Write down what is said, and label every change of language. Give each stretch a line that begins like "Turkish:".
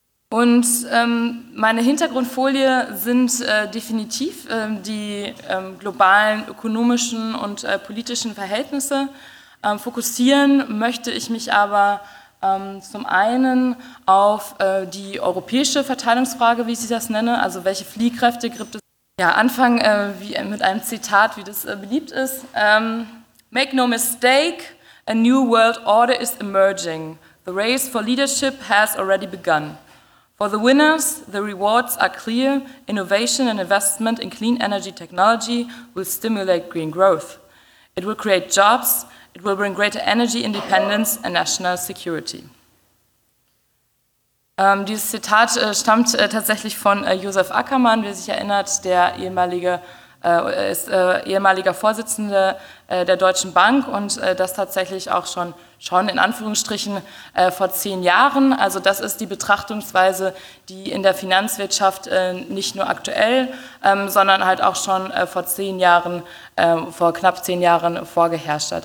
German: Und meine Hintergrundfolie sind definitiv die globalen ökonomischen und politischen Verhältnisse. Fokussieren möchte ich mich aber zum einen auf die europäische Verteilungsfrage, wie ich das nenne, also welche Fliehkräfte gibt es. Ja, anfangen mit einem Zitat, wie das beliebt ist.
English: Make no mistake, a new world order is emerging. The race for leadership has already begun. For the winners, the rewards are clear. Innovation and investment in clean energy technology will stimulate green growth. It will create jobs. It will bring greater energy independence and national security.
German: Dieses Zitat stammt tatsächlich von Josef Ackermann, wer sich erinnert, der ehemaliger Vorsitzender der Deutschen Bank und das tatsächlich auch schon in Anführungsstrichen vor 10 Jahren. Also das ist die Betrachtungsweise, die in der Finanzwirtschaft nicht nur aktuell, sondern halt auch schon vor knapp zehn Jahren vorgeherrscht hat.